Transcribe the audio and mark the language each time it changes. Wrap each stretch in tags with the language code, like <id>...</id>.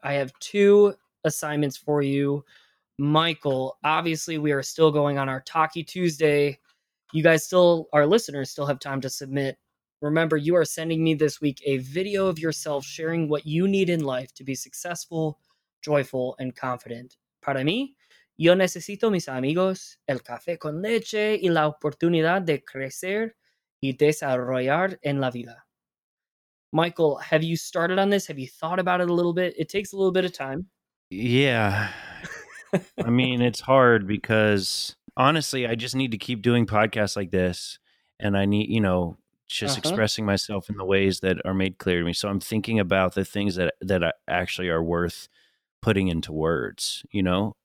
<en>I have two assignments for you, Michael. Obviously, we are still going on our Talkie Tuesday. You guys still, our listeners still have time to submit. Remember, you are sending me this week a video of yourself sharing what you need in life to be successful, joyful, and confident.</en> <es>Para mí, yo necesito mis amigos, el café con leche y la oportunidad de crecer y desarrollar en la vida.</es> <en>Michael, have you started on this? Have you thought about it a little bit? It takes a little bit of time. Yeah. I mean, it's hard because honestly, I just need to keep doing podcasts like this and I need, you know, just expressing myself in the ways that are made clear to me. So I'm thinking about the things that actually are worth putting into words, you know?</en>